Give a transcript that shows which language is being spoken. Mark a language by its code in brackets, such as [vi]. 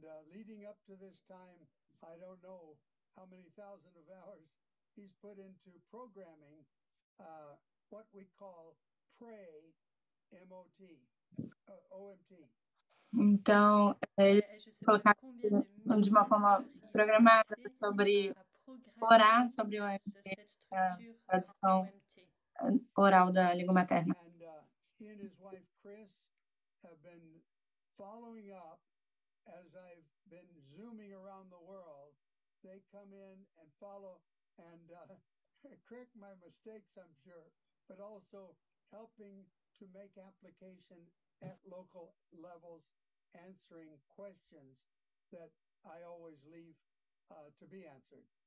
[en] Leading up to this time, I don't know how many thousands of hours he's put into programming what we call Pray MOT, OMT. [pt] Então, ele colocou de uma forma programada sobre orar sobre o OMT, a tradução oral da língua materna. [en] And he and his wife Chris have been following up as I've been zooming around the world. They come in and follow and correct my mistakes, I'm sure, but also helping to make application at local levels, answering questions that I always leave to be answered.